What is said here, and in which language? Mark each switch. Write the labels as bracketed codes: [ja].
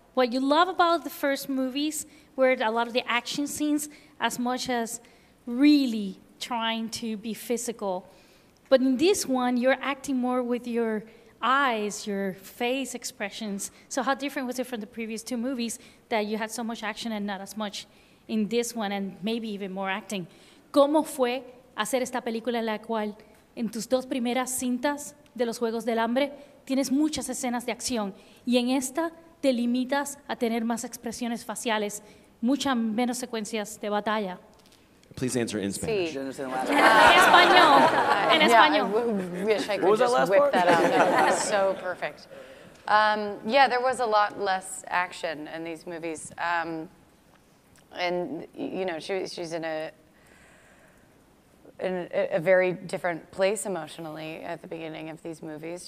[en] What you love about the first movies where a lot of the action scenes, as much as really trying to be physical. But in this one, you're acting more with your eyes, your face expressions. So how different was it from the previous two movies that you had so much action and not as much in this one, and maybe even more acting? [es] ¿Cómo fue hacer esta película en la cual, en tus dos primeras cintas de los Juegos del Hambre, tienes muchas escenas de acción, y en esta te limitas a tener más expresiones faciales, muchas menos secuencias de batalla? [en] Please answer in Spanish. [es] Sí. Español. En español. [en] Yeah, I wish I could just whip that out. That was so perfect. Yeah, there was a lot less action in these movies. And, you know, she's in a in a very different place emotionally at the beginning of these movies.